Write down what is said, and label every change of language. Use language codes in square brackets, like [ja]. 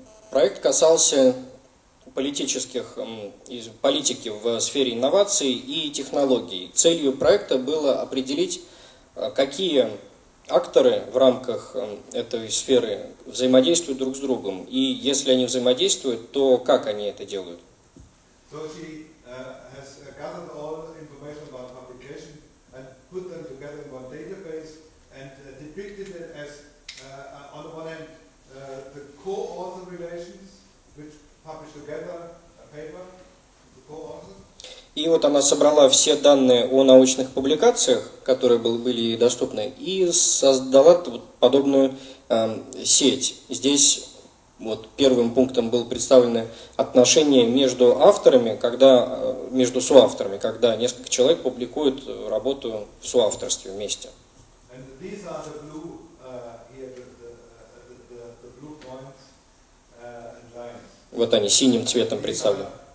[ru] Проект касался политики в сфере инноваций и технологий. Целью проекта было определить, какие акторы в рамках этой сферы взаимодействуют друг с другом. И если они взаимодействуют, то как они это делают? [en] So she has gathered all the information about publication and put them together in one database and depicted it as, on the one hand, the co-author relations, which publish together a paper, the co-author. [ru] И вот она собрала все данные о научных публикациях, которые были доступны, и создала вот подобную сеть. Здесь вот первым пунктом было представлено отношение между авторами, между соавторами, когда несколько человек публикуют работу в соавторстве вместе. [en] And these are the blue here the blue points and lines. [ru] Вот они синим цветом представлены.